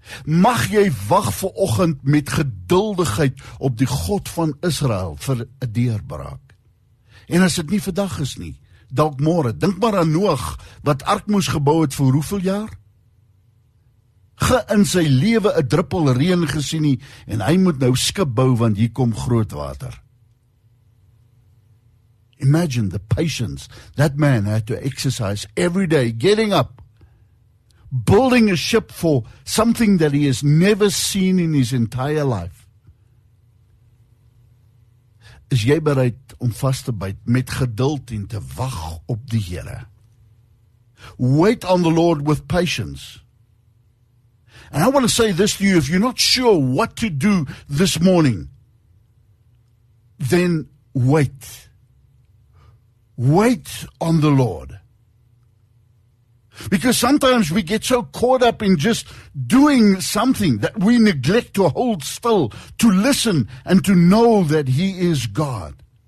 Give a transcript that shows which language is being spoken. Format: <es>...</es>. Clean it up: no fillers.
<af>Mag jy wag vir oggend met geduldigheid op die God van Israel vir 'n deurbraak. En as dit nie vandag is nie, dalk môre. Dink maar aan Noag wat ark moes gebou het vir hoeveel jaar? Ge in sy lewe 'n druppel reën gesien nie en hy moet nou skip bou want hier kom groot water.</af> <en>Imagine the patience that man had to exercise every day, getting up, building a ship for something that he has never seen in his entire life.</en> <af>Is jy bereid om vas te byt met geduld en te wag op die Here?</af> <en>Wait on the Lord with patience. And I want to say this to you, if you're not sure what to do this morning, then wait. Wait on the Lord. Because sometimes we get so caught up in just doing something that we neglect to hold still, to listen and to know that He is God.</en>